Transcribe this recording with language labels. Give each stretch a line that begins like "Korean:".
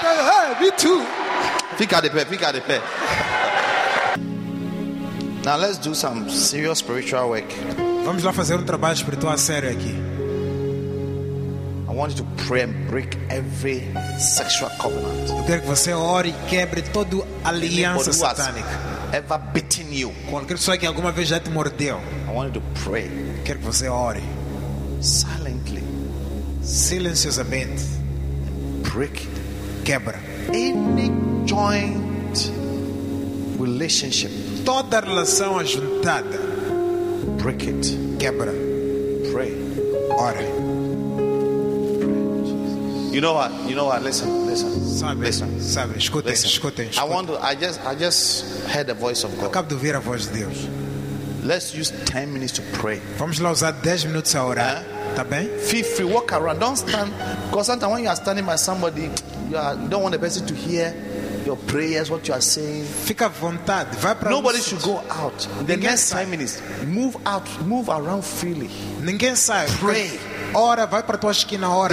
English: Hey, me too.
Portuguese: Fica de pé, fica de pé.
English: Now let's do some serious spiritual work.
Portuguese: Vamos lá fazer trabalho espiritual sério aqui.
English: I want you to pray and break every sexual covenant.
Portuguese: Eu quero que você ore e quebre toda aliança satânica.
English: Ever bitten you?
Portuguese: Qualquer pessoa que alguma vez já te mordeu.
English: I want you to pray.
Portuguese: Eu quero que você ore
English: silently,
Portuguese: silenciosamente,
English: and break it.
Portuguese: Quebra.
English: Any joint relationship,
Portuguese: toda relação ajuntada,
English: break it,
Portuguese: quebra.
English: Pray,
Portuguese: ora.
English: You know what? You know what? Listen, listen,
Portuguese: sabe,
English: listen,
Portuguese: sabe. Escute,
English: listen.
Portuguese: Escute, escute.
English: I want to. I just heard the voice of God.
Portuguese: Acabo de ouvir a voz de Deus.
English: Let's use 10 minutes to pray.
Portuguese: Vamos lá usar 10 minutos a orar, tá bem?
English: Feel free, walk around. Don't stand. Because sometimes when you are standing by somebody, you don't want the person to hear your prayers, what you are saying.
Portuguese: Fica à vontade, vai para.
English: Nobody should go out. The next 10 minutes, move out, move around freely.
Portuguese: Ninguém sai.
English: Pray.
Portuguese: Ora, vai para tua esquina, ora.